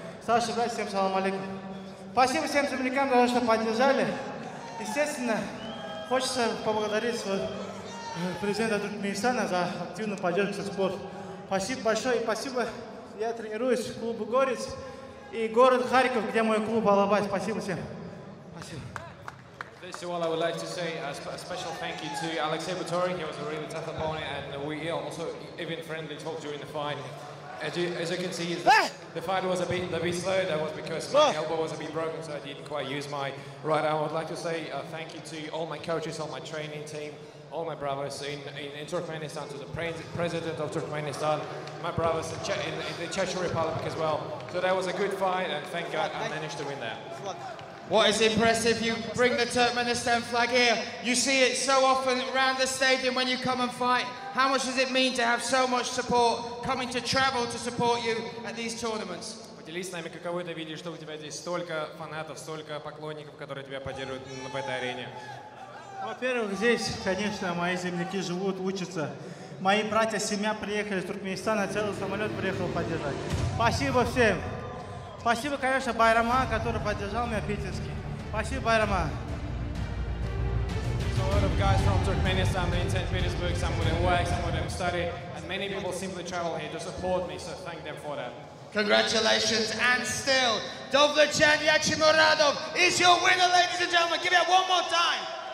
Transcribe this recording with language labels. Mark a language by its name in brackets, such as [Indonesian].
[Russian] Саша, брат, всем салам алейкум. Спасибо всем землякам за то, что поддержали. Естественно, хочется поблагодарить своего президента Туркменистана за активную поддержку спорта. Спасибо большое и спасибо. Я тренируюсь в клубе Горец и город Харьков, где мой клуб Алабай. Спасибо всем. Спасибо. [English] First of all, I would like to say a special thank you to Alexei Buturin. He was a really tough opponent, and we also even friendly talked during the fight. as you can see, the fight was a bit slow. That was because my elbow was a bit broken, so I didn't quite use my right arm. I would like to say thank you to all my coaches, all my training team, all my brothers in Turkmenistan, to the president of Turkmenistan, my brothers in the Czech Republic as well. So that was a good fight, and thank God I managed to win there. What is impressive, you bring the Turkmenistan flag here. You see it so often around the stadium when you come and fight. How much does it mean to have so much support coming to travel to support you at these tournaments? [Russian] Поделись с нами, каково это видеть, что у тебя здесь столько фанатов, столько поклонников, которые тебя поддерживают на этой арене. Во-первых, здесь, конечно, мои земляки живут, учатся. Мои братья, семья приехали из Туркменистана, целый самолет приехал поддержать. Спасибо всем. Спасибо, конечно, Байрама, который поддержал меня в Питерске. Спасибо, Байрама. [English] So a lot of guys from Turkmenistan, they attend Petersburg, some of them work, some of them study, and many people simply travel here to support me, so thank them for that. Congratulations, and still, Dovlecan Yakshimuradov is your winner, ladies and gentlemen. Give it one more time.